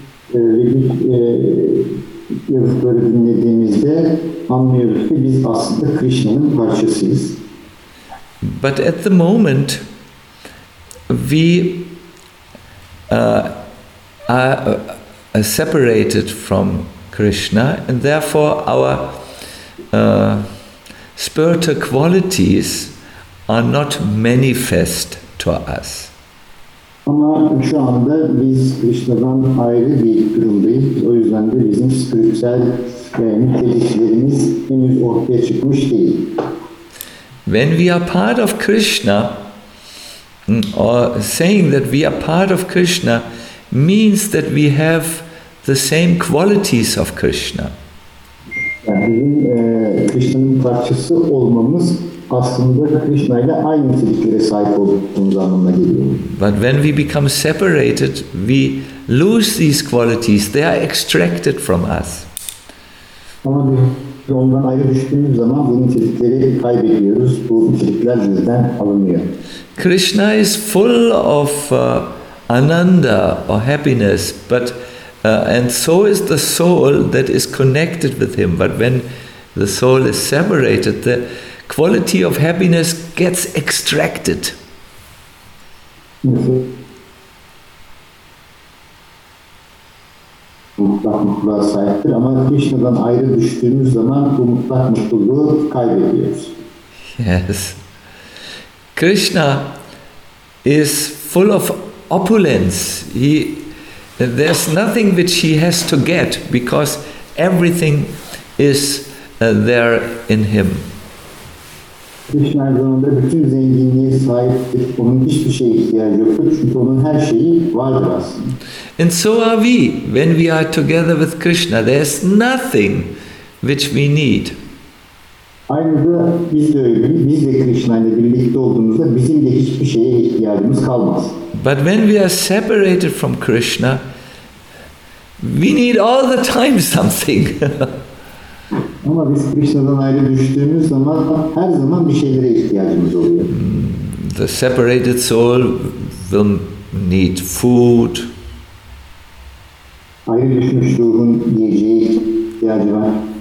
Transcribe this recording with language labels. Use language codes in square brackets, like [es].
[en] But at the moment, we are separated from Krishna, and therefore our spiritual qualities are not manifest to us. [tr] Ama şu anda biz Krishna'dan ayrı bir durumdayız. O yüzden de bizim spiritüel niteliklerimiz henüz ortaya çıkmış değil. [en] When we are part of Krishna, or saying that we are part of Krishna means that we have the same qualities of Krishna. [tr] Yani bizim Krishna'nın parçası olmamız aslında Krishna ile aynı niteliklere sahip olduğumuz anlamına geliyor. [en] But when we become separated, we lose these qualities. They are extracted from us. [tr] Ama biz ondan ayrı düştüğümüz zaman bu nitelikleri kaybediyoruz. Bu nitelikler bizden alınıyor. [en] Krishna is full of ananda or happiness, but and so is the soul that is connected with him. But when the soul is separated, the quality of happiness gets extracted. Yes. Krishna is full of opulence. There's nothing which he has to get, because everything is there in him. [tr] Krishna zamanında bütün zenginliğe sahip, onun hiçbir şeye ihtiyacı yoktur çünkü onun her şeyi vardır aslında. [en] And so are we when we are together with Krishna. There's nothing which we need. [tr] Ayrıca biz de öyle, biz de Krishna ile birlikte olduğumuzda bizim de hiçbir şeye ihtiyacımız kalmaz. [en] But when we are separated from Krishna, we need all the time something. [tr] Ama biz Krishna'dan ayrı düştüğümüz zaman her zaman bir şeylere ihtiyacımız oluyor. [en] The separated soul will need food. [tr] Ayrı düşmüş ruhun yiyeceği ihtiyacı var.